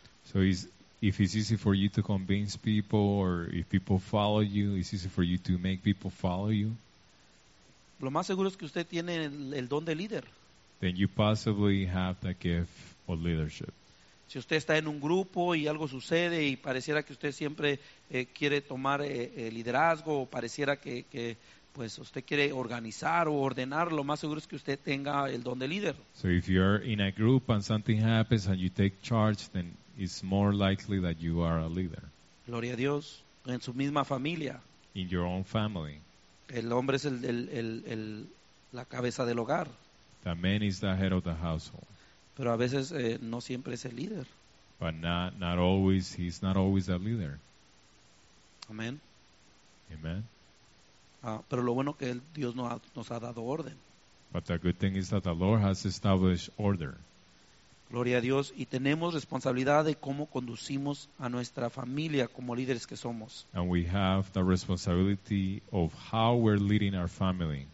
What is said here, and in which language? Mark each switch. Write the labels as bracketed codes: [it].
[en] So if it's easy for you to convince people or if people follow you, it's easy for you to make people follow you. [es] Lo más seguro es que usted tiene el don de líder. [en] Then you possibly have the gift of leadership. [es] Si usted está en un grupo y algo sucede y pareciera que usted siempre quiere tomar liderazgo o pareciera que usted quiere organizar o ordenar, lo más seguro es que usted tenga el don de líder. [en] So if you're in a group and something happens and you take charge, then it's more likely that you are a leader. [es] Gloria a Dios. En su misma familia. [en] In your own family. [es] El hombre es la cabeza del hogar. [en] The man is the head of the household. [es] Pero a veces no siempre es el líder. [en] But not always, he's not always a leader. [es] Amén. [en] Amen. [es] Pero lo bueno que Dios nos ha dado orden. [en] But the good thing is that the Lord has established order. [es] Gloria a Dios. Y tenemos responsabilidad de cómo conducimos a nuestra familia como líderes que somos. [en] And we have the responsibility of how we're leading our family.